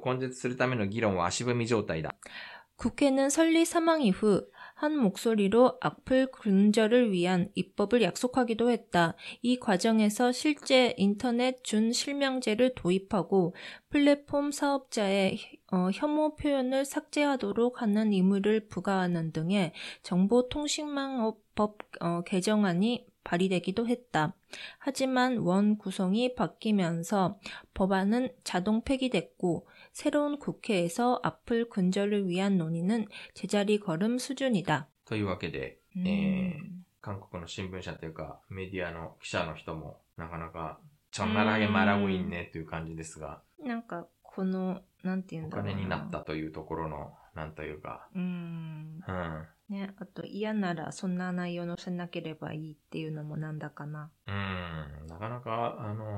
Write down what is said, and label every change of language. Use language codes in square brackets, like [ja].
[ja] この過程で実際にインターネット準実名制を導入し、プラットフォーム事業者にヘイト表現を削除するよう義務付けるなどの情報通信網法改正案が発議された。しかし、議会の構成が変わり、法案は自動的に廃棄され、新しい国会で悪質な書き込みを根絶するための議論は足踏み状態だ。 [ko] 국회는 설리 사망 이후 한 목소리로 악플 근절을 위한 입법을 약속하기도 했다. 이 과정에서 실제 인터넷 준 실명제를 도입하고 플랫폼 사업자의 혐오 표현을 삭제하도록 하는 의무를 부과하는 등의 정보통신망법 개정안이 발의되기도 했다. 하지만 원 구성이 바뀌면서 법안은 자동 폐기됐고 새로운 국회에서 앞을 근절을 위한 논의는 제자리 걸음 수준이다. [ja] というわけで 韓国の新聞社というかメディアの記者の人もなかなかちゃんならげまらういねという感じですが、なんかこのなんていうんだろうな、お金になったというところの、なんというか、ね、あと嫌ならそんな内容の載せなければいいっていうのもなんだかな、なかなか